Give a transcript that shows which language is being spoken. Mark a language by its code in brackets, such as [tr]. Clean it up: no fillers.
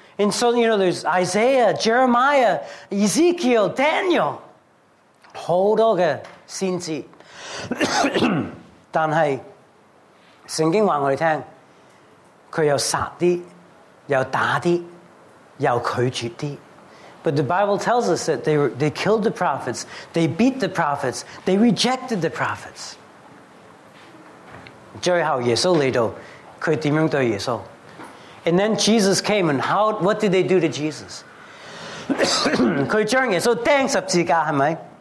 [en] And so, you know, there's Isaiah, Jeremiah, Ezekiel, Daniel. [zh] 很多的先知, 但是圣经告诉我们, 他又杀些,又打些,又拒绝些。 [en] But the Bible tells us that they killed the prophets, they beat the prophets, they rejected the prophets. [zh] 最后耶稣来到,他怎样对耶稣? [en] And then Jesus came, and what did they do to Jesus? [zh] 他将耶稣钉十字架,是不是?